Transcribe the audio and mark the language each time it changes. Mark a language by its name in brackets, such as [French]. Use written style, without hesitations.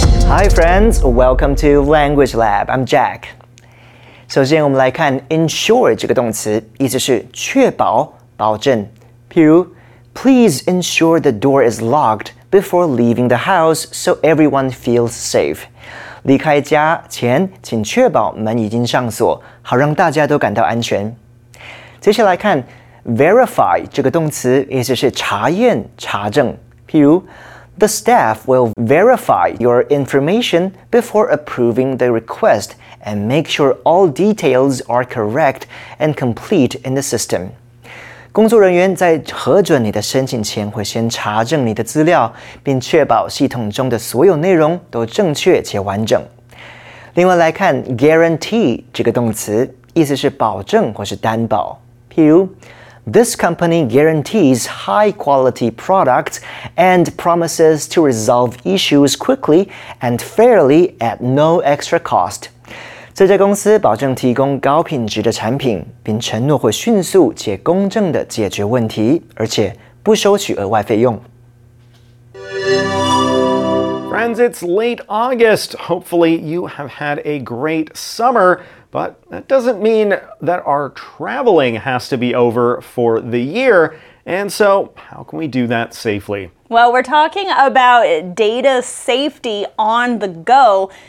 [English] Hi friends, welcome to Language Lab. I'm Jack. [Chinese] 首先我们来看 ensure 这个动词，意思是确保、保证。 [English] 譬如 Please ensure the door is locked before leaving the house so everyone feels safe. [Chinese] 离开家前请确保门已经上锁，好让大家都感到安全。接下来看 verify 这个动词，意思是查验、查证。 [English] 譬如 The staff will verify your information before approving the request. And make sure all details are correct and complete in the system. [Chinese] 工作人员在核准你的申请前会先查证你的资料，并确保系统中的所有内容都正确且完整。另外来看 guarantee 这个动词，意思是保证或是担保。 [English] 譬如 This company guarantees high quality products and promises to resolve issues quickly and fairly at no extra cost. [Chinese] 这家公司保证提供高品质的产品，并承诺会迅速且公正地解决问题，而且不收取额外费用。 [English] Friends, it's late August. Hopefully you have had a great summer, but that doesn't mean that our traveling has to be over for the year. And so, how can we do that safely? Well, we're talking about data safety on the go.